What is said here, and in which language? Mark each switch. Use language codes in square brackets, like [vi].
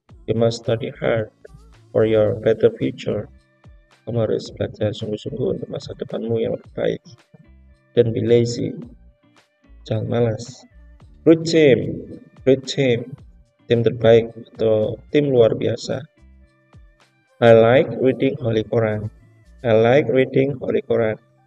[en] You must study hard for your better future. [id] Kamu harus belajar sungguh-sungguh untuk masa depanmu yang lebih baik. [en] Don't be lazy. [id] Jangan malas. [en] Good team. Good team. [id] Tim terbaik atau tim luar biasa. [en] I like reading Holy Quran. I like reading Holy Quran.